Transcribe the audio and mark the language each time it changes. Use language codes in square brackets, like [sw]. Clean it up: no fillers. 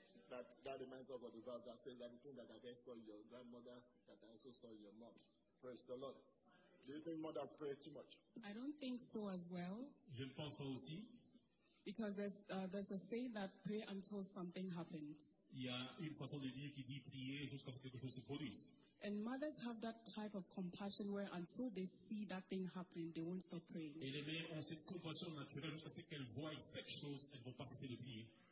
[en] That reminds us of the verse that says anything that I saw your grandmother, that I also saw your mom. Praise the Lord. Do you think mothers pray too much? I don't think so as well. [fr] Je ne pense pas aussi. [en] Because there's a saying that pray until something happens. [fr] Il y a une façon de dire qui dit prier jusqu'à ce que quelque chose se produise. [en] And mothers have that type of compassion where until they see that thing happening, they won't stop praying. [fr] Et les mères ont cette compassion. situation naturelle, jusqu'à ce qu'elles voient cette chose, elles ne vont pas cesser de prier.